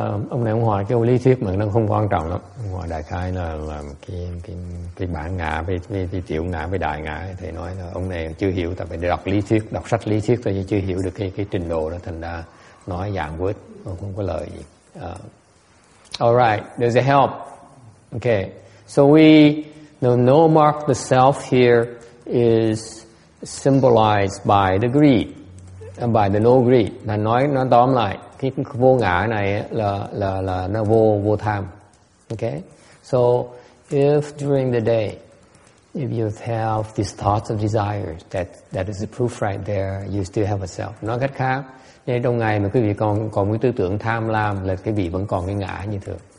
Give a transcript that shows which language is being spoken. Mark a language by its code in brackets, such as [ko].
[vi] Ông này ông hỏi cái lý thuyết mà nó không quan trọng lắm. Ông hỏi đại khái là cái bản ngã với tiểu ngã với đại ngã thì nói là ông này chưa hiểu, tại phải đọc lý thuyết, đọc sách lý thuyết thôi chứ chưa hiểu được cái trình độ đó, thành ra nói dạng quýt ông không có lời gì. [en] Alright, does it help? Okay, so we the no mark the self here is symbolized by the greed, by the no greed. [vi] Là nói tóm lại cái vô ngã này là nó vô tham. [en] Okay, so if during the day if you have these thoughts of desires, that is the proof right there you still have a self. [vi] Nói cách khác, nếu trong ngày mà quý vị còn cái tư tưởng tham lam là quý vị vẫn còn cái ngã như thường.